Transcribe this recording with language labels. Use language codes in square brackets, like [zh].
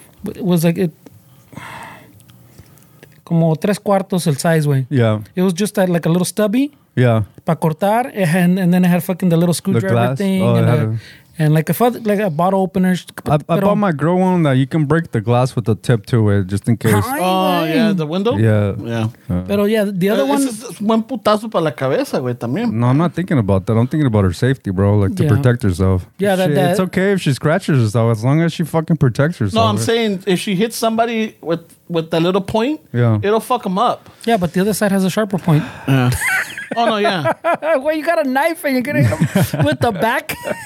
[en] But it was like it, [es] como tres cuartos el [en] size way. Yeah. It was just that, like a little stubby. Yeah. [es] Pa cortar, [en] and then it had fucking the little screwdriver thing. Oh, and And like a bottle opener. I bought my girl one that you can break the glass with the tip to it, just in case. Oh, yeah, the window? Yeah. Yeah. [es] Pero [en] yeah, the other one. [es] Es buen putazo para la cabeza, güey, también. [en] No, I'm not thinking about that. I'm thinking about her safety, bro, like to protect herself. Yeah, it's okay if she scratches herself, as long as she fucking protects herself. No, I'm saying if she hits somebody with that little point, it'll fuck them up. Yeah, but the other side has a sharper point. Yeah. Oh, no, yeah. Well, you got a knife and you're going to come with the back?